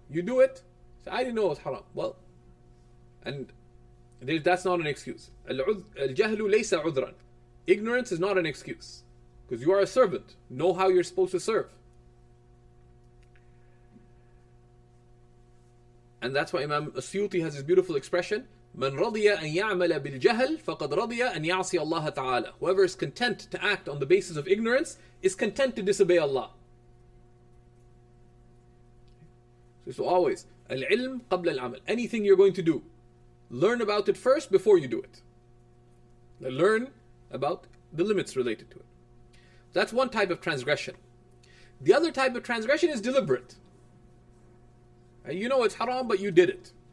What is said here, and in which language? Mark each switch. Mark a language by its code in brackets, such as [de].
[en] You do it, say, I didn't know it's haram. Well, and that's not an excuse. [ar] Al-jahlu laysa udran. [en] Ignorance is not an excuse. Because you are a servant. Know how you're supposed to serve. And that's why Imam Asyuti has this beautiful expression, [ar] من رضي أن يعمل بالجهل فقد رضي أن يعصي الله تعالى. [en] Whoever is content to act on the basis of ignorance is content to disobey Allah. So always, [ar] العلم قبل العمل. [en] Anything you're going to do, learn about it first before you do it. Learn about the limits related to it. That's one type of transgression. The other type of transgression is deliberate. You know it's haram, but you did it.